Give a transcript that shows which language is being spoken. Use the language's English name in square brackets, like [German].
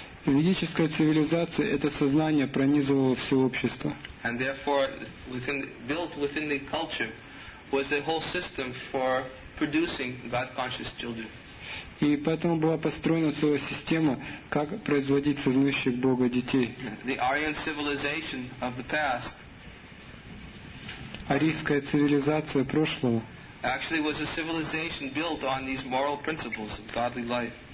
[Russian] Ведическая цивилизация — это сознание пронизывало все общество. [English] And therefore, built within the culture was a whole system for producing God-conscious children. [Russian] И поэтому была построена целая система, как производить сознающих Бога детей. [English] The Aryan civilization of the past. [Russian] Арийская цивилизация прошлого. [English] Actually, was a civilization built on these moral principles of godly life.